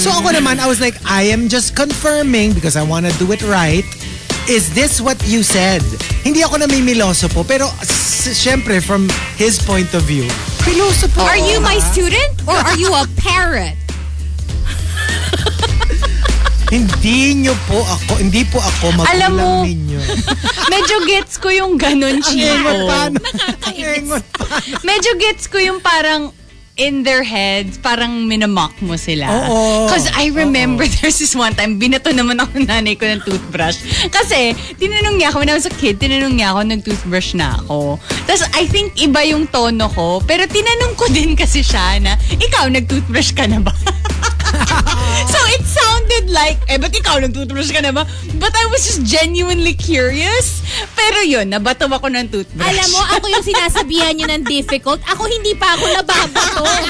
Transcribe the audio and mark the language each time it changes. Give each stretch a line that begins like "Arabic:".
Filipino: So ako naman,
English: I was like, I am just confirming because I wanna do it right. Is this what you said?
Filipino: Hindi ako namimiloso po, pero syempre,
English: from his point of view,
Filipino: miloso po.
English: Are you my student or are you a parrot?
Filipino: Hindi nyo po ako, hindi po ako magulang ninyo. Medyo gets ko yung ganun, Chico. Ang ingot pa. Medyo gets ko yung parang
English: in their heads,
Filipino: parang minamock mo sila.
English: Because I remember there's this one time,
Filipino: binato naman ako nanay ko ng toothbrush. Kasi, tinanong niya ako,
English: when I was a kid,
Filipino: tinanong niya ako, nag-toothbrush na ako. Tapos,
English: I think
Filipino: iba yung tono ko, pero tinanong ko din kasi siya na, ikaw, nag-toothbrush ka na ba?
English: So, it sounded like,
Filipino: eh, ba't ikaw, nag-toothbrush ka na ba?
English: But I was just genuinely curious.
Filipino: Pero yun, nabato ako ng toothbrush. Alam mo, ako yung sinasabihan niyo ng difficult. Ako hindi pa ako nababato.